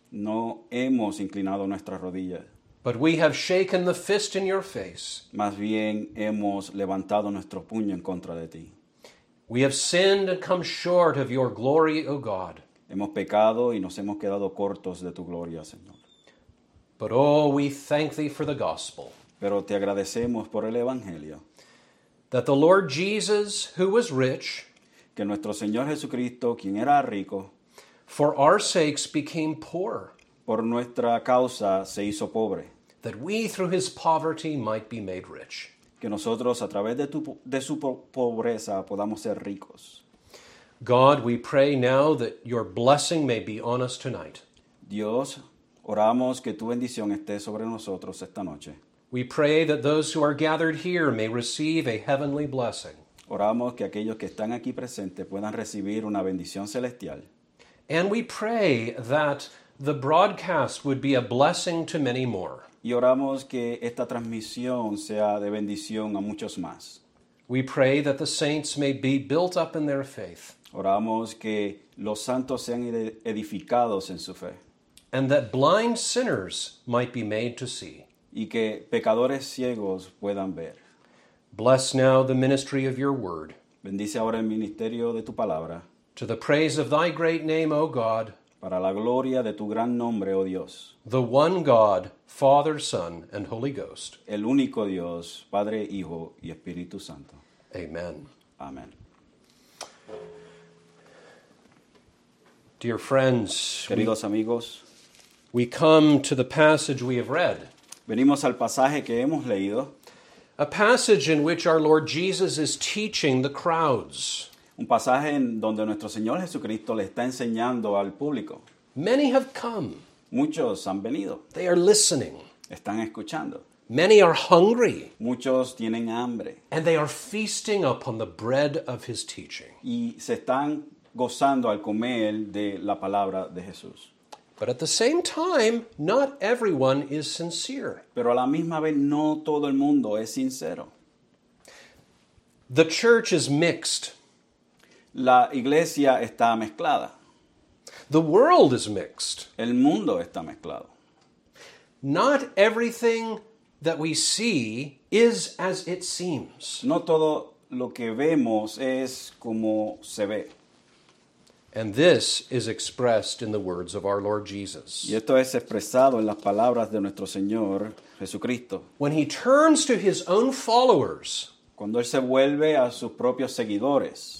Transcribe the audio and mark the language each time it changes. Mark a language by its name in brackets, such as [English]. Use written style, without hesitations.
[Spanish] No hemos inclinado nuestras rodillas. [English] But we have shaken the fist in your face. [Spanish] Más bien, hemos levantado nuestro puño en contra de ti. [English] We have sinned and come short of your glory, O God. [Spanish] Hemos pecado y nos hemos quedado cortos de tu gloria, Señor. [English] But oh, we thank thee for the gospel. [Spanish] Pero te agradecemos por el evangelio. [English] That the Lord Jesus, who was rich, [Spanish] que nuestro Señor Jesucristo, quien era rico, [English] for our sakes became poor. [Spanish] Por nuestra causa se hizo pobre. [English] That we through his poverty might be made rich. [Spanish] Que nosotros a través de su pobreza podamos ser ricos. [English] God, we pray now that your blessing may be on us tonight. [Spanish] Dios, oramos que tu bendición esté sobre nosotros esta noche. [English] We pray that those who are gathered here may receive a heavenly blessing. [Spanish] Oramos que aquellos que están aquí presentes puedan recibir una bendición celestial. [English] And we pray that the broadcast would be a blessing to many more. [Spanish] Y oramos que esta transmisión sea de bendición a muchos más. [English] We pray that the saints may be built up in their faith. [Spanish] Oramos que los santos sean edificados en su fe. [English] And that blind sinners might be made to see. [Spanish] Y que pecadores ciegos puedan ver. [English] Bless now the ministry of your word. [Spanish] Bendice ahora el ministerio de tu palabra. [English] To the praise of thy great name, O God. [Spanish] Para la gloria de tu gran nombre, oh Dios. [English] The one God, Father, Son, and Holy Ghost. [Spanish] El único Dios, Padre, Hijo, y Espíritu Santo. [English] Amen. [Spanish] Amen. [English] Dear friends, [Spanish] queridos amigos, [English] we come to the passage we have read. [Spanish] Venimos al pasaje que hemos leído. [English] A passage in which our Lord Jesus is teaching the crowds. [Spanish] Un pasaje en donde nuestro Señor Jesucristo le está enseñando al público. [English] Many have come. [Spanish] Muchos han venido. [English] They are listening. [Spanish] Están escuchando. [English] Many are hungry. [Spanish] Muchos tienen hambre. [English] And they are feasting upon the bread of his teaching. [Spanish] Y se están gozando al comer de la palabra de Jesús. [English] But at the same time, not everyone is sincere. [Spanish] Pero a la misma vez, no todo el mundo es sincero. [English] The church is mixed. [Spanish] La iglesia está mezclada. [English] The world is mixed. [Spanish] El mundo está mezclado. [English] Not everything that we see is as it seems. [Spanish] No todo lo que vemos es como se ve. [English] And this is expressed in the words of our Lord Jesus. [Spanish] Y esto es expresado en las palabras de nuestro Señor Jesucristo. [English] When he turns to his own followers, [Spanish] cuando él se vuelve a sus propios seguidores,